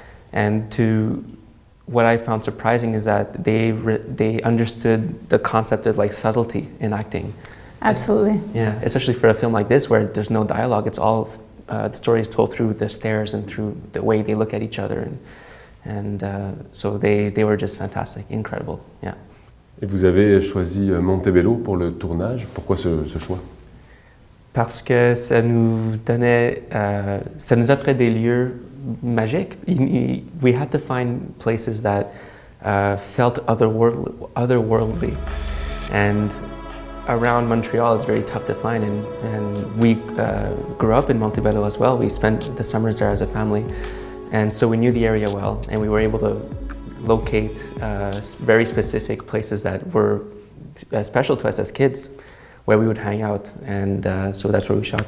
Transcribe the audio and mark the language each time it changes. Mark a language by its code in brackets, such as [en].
[en] And to what I found surprising is that they understood the concept of like subtlety in acting. Absolutely. Yeah, especially for a film like this where there's no dialogue. It's all the story is told through the stares and through the way they look at each other, and so they were just fantastic, incredible. Yeah. [fr] Et vous avez choisi Montebello pour le tournage. Pourquoi ce choix? Parce que ça nous donnait, ça nous offrait des lieux magiques. [en] We had to find places that felt otherworldly. And around Montreal, it's very tough to find. And we grew up in Montebello as well. We spent the summers there as a family. And so we knew the area well, and we were able to locate very specific places that were special to us as kids, where we would hang out, and so that's where we shot.